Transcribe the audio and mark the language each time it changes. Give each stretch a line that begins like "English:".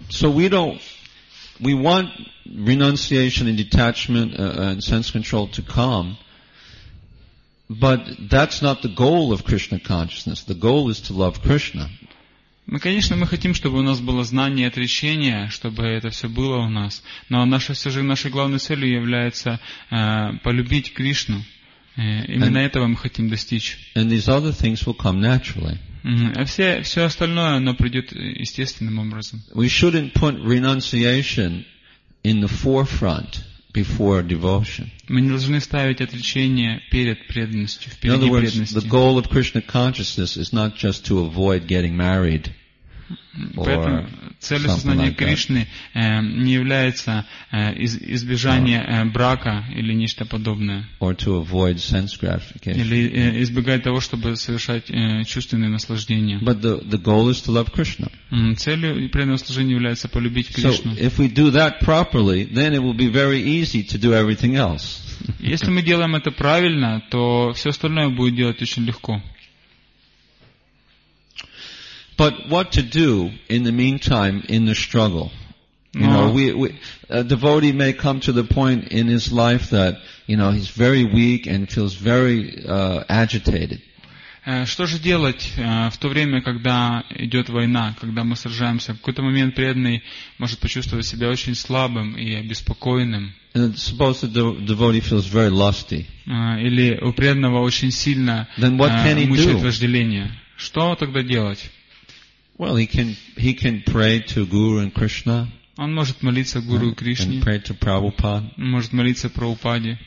English: We want renunciation and detachment and sense control to come. But that's not the goal of Krishna consciousness. The goal is to love Krishna.
Russian: Мы, конечно, мы хотим, чтобы у нас было знание и отречение, чтобы это все было у нас. Но нашей главной целью является полюбить Кришну. Именно этого мы хотим достичь.
English: And these other things will come naturally.
Russian: А все остальное, оно придет естественным образом.
English: We shouldn't put renunciation in the forefront before devotion.
Russian: Мы не должны ставить отречение перед преданностью, впереди преданности.
English: In other words, the goal of Krishna consciousness is not just to avoid getting married.
Russian: Поэтому цель сознания Кришны не является избежание брака или нечто подобное.
English: Or to avoid sense gratification.
Russian: Или избегать того, чтобы совершать чувственные наслаждения.
English: But the goal is to love Krishna.
Russian: Целью преданного служения является полюбить Кришну.
English: So if we do that properly, then it will be very easy to do everything else.
Russian: Если мы делаем это правильно, то все остальное будет делать очень легко.
English: But what to do in the meantime in the struggle? You know, a devotee may come to the point in his life that, you know, he's very weak and feels very agitated.
Russian: Что же делать в то время, когда идет война, когда мы сражаемся? В какой-то момент преданный может почувствовать себя очень слабым и обеспокоенным.
English: Suppose the devotee feels very lusty.
Russian: Или у преданного очень сильно мучает вожделение. Что тогда делать?
English: Well, he can pray to Guru and Krishna.
Russian: Он может молиться Гуру и Кришне.
English: And pray to Prabhupada.
Russian: Он может молиться Прабхупаде.